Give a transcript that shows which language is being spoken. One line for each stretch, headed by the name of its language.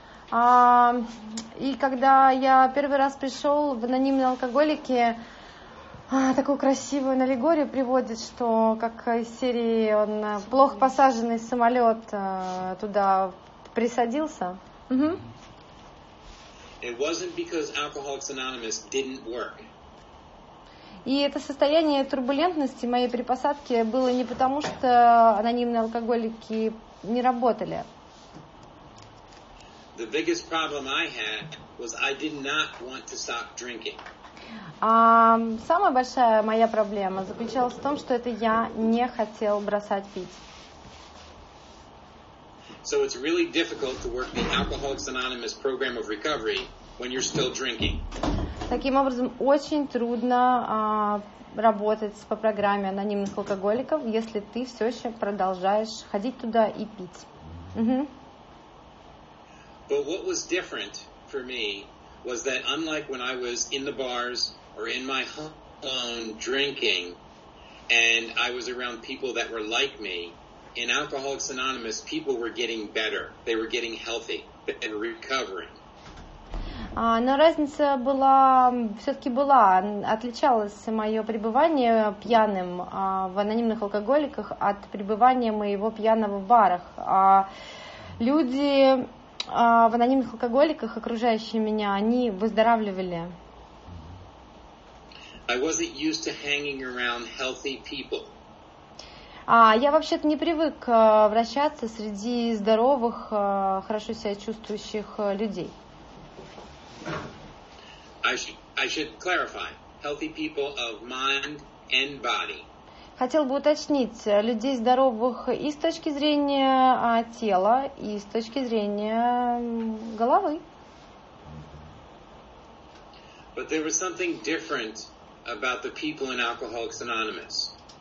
Russian: И когда я первый раз пришел в анонимные алкоголики, такую красивую аллегорию приводит, что как из серии он плохо посаженный самолет туда присадился. Угу.
English: It wasn't because Alcoholics Anonymous didn't work.
Russian: И это состояние турбулентности моей при посадке было не потому, что анонимные алкоголики не работали.
English: The biggest problem I had was I did not want to stop drinking.
Russian: Самая большая моя проблема заключалась в том, что это я не хотел бросать пить.
English: So it's really difficult to work the Alcoholics Anonymous program of recovery when you're still drinking.
Russian: Таким образом, очень трудно работать по программе анонимных алкоголиков, если ты все еще продолжаешь ходить туда и пить. Угу.
English: But what was different for me was that unlike when I was in the bars or in my home drinking, and I was around people that were like me, in Alcoholics Anonymous people were getting better, they were getting healthy and recovering.
Russian: Но разница была, все-таки была, отличалось мое пребывание пьяным в анонимных алкоголиках от пребывания моего пьяного в барах. Люди в анонимных алкоголиках, окружающие меня, они выздоравливали.
English: I wasn't used to hanging around healthy people.
Russian: Я вообще-то не привык вращаться среди здоровых, хорошо себя чувствующих людей.
English: I should clarify. Healthy people of mind and body.
Russian: Хотел бы уточнить, людей здоровых и с точки зрения тела, и с точки зрения головы.
English: But there was something different about the people in Alcoholics Anonymous.